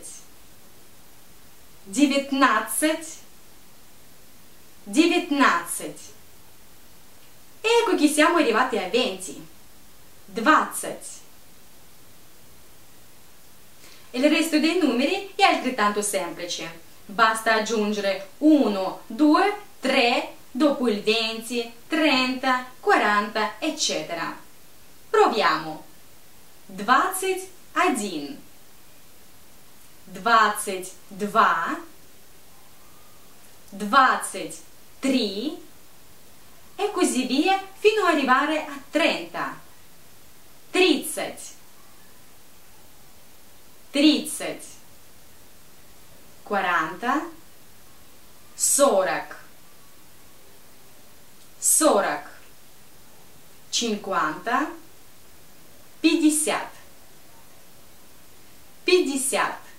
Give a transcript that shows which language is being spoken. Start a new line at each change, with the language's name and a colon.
Russian: Восемнадцать, девятнадцать, девятнадцать.
Italian: Ecco che siamo arrivati a 20.
Russian: Двадцать.
Italian: Il resto dei numeri è altrettanto semplice. Basta aggiungere 1, 2, 3 dopo il 20, 30, 40, eccetera. Proviamo.
Russian: Двадцать один. Двадцать два, двадцать три,
Italian: e così via fino ad arrivare a 30.
Russian: Тридцать, тридцать,
Italian: quaranta,
Russian: сорок, сорок,
Italian: cinquanta,
Russian: пятьдесят, пятьдесят.